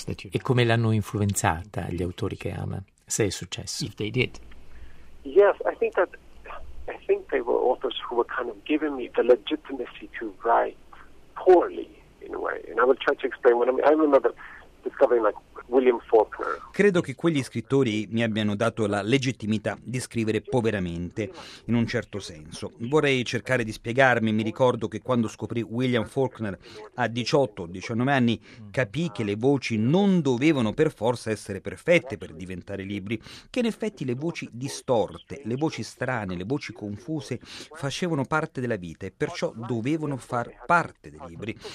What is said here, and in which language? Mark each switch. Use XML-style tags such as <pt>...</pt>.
<it>E come l'hanno influenzata gli autori che ama, se è successo?</it> <en>If they did. Yes, I think they were authors who were kind of giving me the legitimacy to write poorly in a way. And I will try to explain what I mean. I remember discovering like William Faulkner.</en> <it>Credo che quegli scrittori mi abbiano dato la legittimità di scrivere poveramente, in un certo senso. Vorrei cercare di spiegarmi. Mi ricordo che quando scoprì William Faulkner a 18-19 anni, capì che le voci non dovevano per forza essere perfette per diventare libri, che in effetti le voci distorte, le voci strane, le voci confuse facevano parte della vita e perciò dovevano far parte dei libri.</it>